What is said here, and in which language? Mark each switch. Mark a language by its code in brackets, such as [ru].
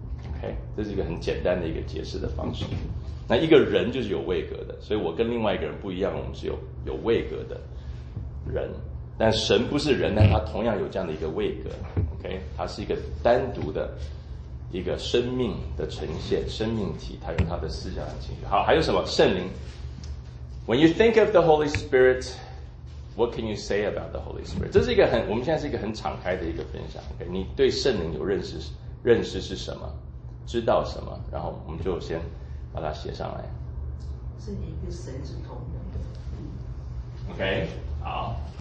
[zh] OK， 这是一个很简单的一个解释的方式。那一个人就是有位格的，所以我跟另外一个人不一样，我们是有位格的人。但神不是人，但他同样有这样的一个位格。OK， 他是一个单独的一个生命的呈现，生命体，他有他的思想和情绪。好，还有什么？圣灵。 [en] When you think of the Holy Spirit, what can you say about the Holy Spirit? [zh] 这是一个很，我们现在是一个很敞开的一个分享。OK， 你对圣灵有认识是什么？知道什么？然后我们就先。把它写上来，是一个神是同等的。 OK， 好。